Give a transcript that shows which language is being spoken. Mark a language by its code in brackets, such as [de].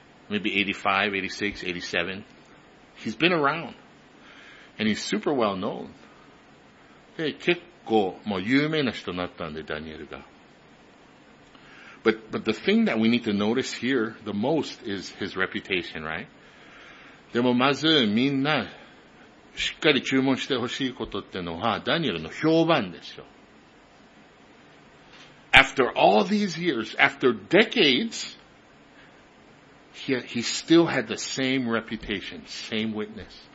[en] Maybe 85, 86, 87. He's been around. And he's super well known. [ja] で、結構、もう有名な人になったんで、ダニエルが。 [en] But the thing that we need to notice here the most is his reputation, right? [ja] でもまず、みんな、しっかり注文してほしいことってのは、ダニエルの評判ですよ。 [en] After all these years, after decades, he still had the same reputation, same witness.